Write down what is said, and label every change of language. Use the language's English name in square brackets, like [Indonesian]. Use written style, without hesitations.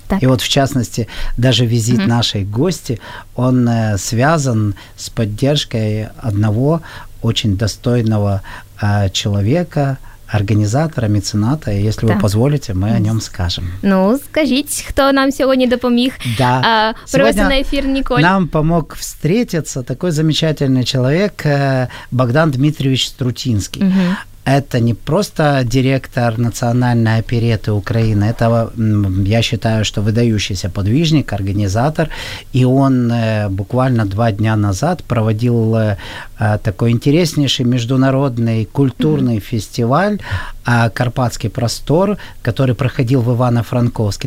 [Russian] Так. И вот, в частности, даже визит нашей гости, он связан с поддержкой одного очень достойного человека, [Ukrainian] організатора, мецената, і якщо ви дозволите, ми о ньому скажемо. Ну, скажіть, хто нам сьогодні допоміг привести на ефір Ніколь. [Russian] Нам помог встретиться такой замечательный человек Богдан Дмитрович Струтинский. Это не просто директор национальной оперетты Украины, это, я считаю, что выдающийся подвижник, организатор, и он буквально два дня назад проводил такой интереснейший международный культурный фестиваль «Карпатский простор», который проходил в Ивано-Франковске.